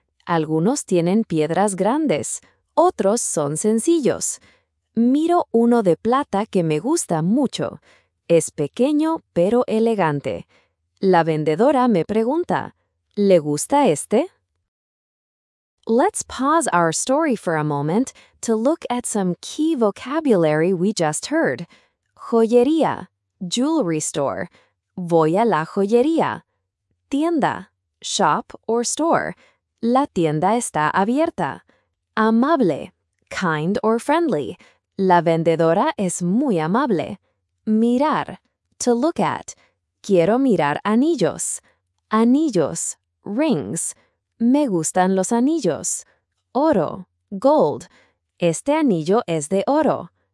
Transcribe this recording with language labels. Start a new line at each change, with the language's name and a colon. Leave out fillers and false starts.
Spanish: Algunos tienen piedras grandes, otros son sencillos. Miro uno de plata que me gusta mucho. Es pequeño pero elegante. La vendedora me pregunta, ¿le gusta este?
English: Let's pause our story for a moment to look at some key vocabulary we just heard.
Spanish: Joyería,
English: jewelry store.
Spanish: Voy a la joyería. Tienda,
English: shop or store.
Spanish: La tienda está abierta. Amable,
English: kind or friendly.
Spanish: La vendedora es muy amable. Mirar,
English: to look at.
Spanish: Quiero mirar anillos. Anillos,
English: rings.
Spanish: Me gustan los anillos. Oro,
English: gold.
Spanish: Este anillo es de oro.